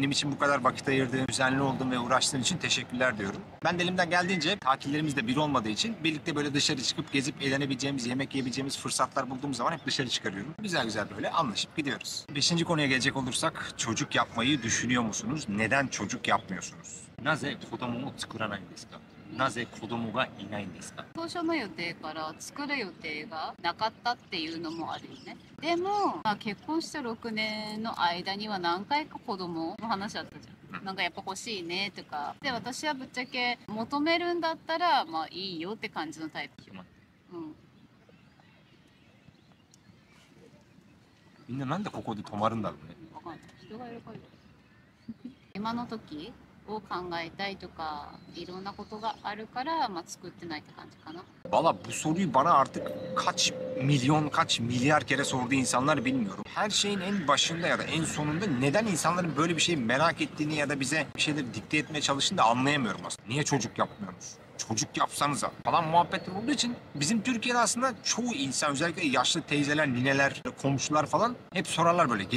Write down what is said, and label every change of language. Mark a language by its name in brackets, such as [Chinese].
[Turkish] Benim için bu kadar vakit ayırdığın, düzenli olduğun ve uğraştığın için teşekkürler diyorum. Ben de elimden geldiğince tatillerimiz de bir olmadığı için birlikte böyle dışarı çıkıp gezip eğlenebileceğimiz, yemek yiyebileceğimiz fırsatlar bulduğum zaman hep dışarı çıkarıyorum. Güzel güzel böyle anlaşıp gidiyoruz. Beşinci konuya gelecek olursak, çocuk yapmayı düşünüyor musunuz? Neden çocuk yapmıyorsunuz? [Japanese] なぜ子供を作らないんですか？なぜ子供がいないんですか？当初の予定から作る予定がなかったっていうのもあるよね。でも、まあ、結婚して6年の間には何回か子供の話あったじゃん。なんかやっぱ欲しいねとか。で、私はぶっちゃけ求めるんだったらまあいいよって感じのタイプ。うん。みんななんでここで止まるんだろうね。わかんない。人がいるから。今の時を考えたいとかいろんなことがあるから、まあ、作ってないって感じかな。 [Turkish] Valla bu soruyu bana artık kaç milyon, kaç milyar kere sordu insanlar bilmiyorum. Her şeyin en başında ya da en sonunda neden insanların böyle bir şeyi merak ettiğini ya da bize bir şeyleri dikte etmeye çalıştığını da anlayamıyorum aslında. Niye çocuk yapmıyoruz? Çocuk yapsanıza falan muhabbetler olduğu için bizim Türkiye'de aslında çoğu insan, özellikle yaşlı teyzeler, nineler, komşular falan hep sorarlar böyle.